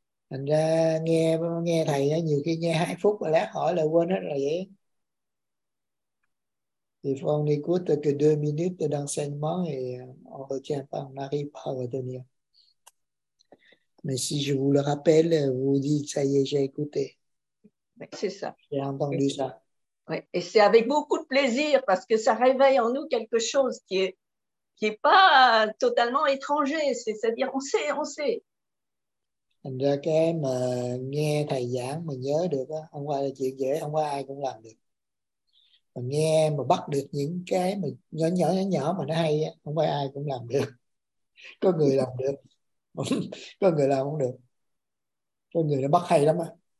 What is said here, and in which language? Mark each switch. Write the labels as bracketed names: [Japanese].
[Vietnamese] Thành ra nghe thầy nhiều khi nghe 2 phút rồi lát hỏi là quên hết rồi vậy. [English] If only could take 2 minutes [French] d'enseignement et on retient pas, on n'arrive pas à retenir. Mais si je vous le rappelle, vous dites ça y est, j'ai écouté. C'est ça. J'ai entendu ça. Ouais. Et c'est avec beaucoup de plaisir parce que ça réveille en nous quelque chose qui est pas totalement étranger. C'est-à-dire, on sait. [Vietnamese] Thành ra cái mà nghe thầy giảng mà nhớ được đó, không phải là chuyện dễ, không phải ai cũng làm được. Mà nghe mà bắt được những cái mà nhỏ mà nó hay, không phải ai cũng làm được. Có người làm được, có người làm không được. Có người nó bắt hay lắm á.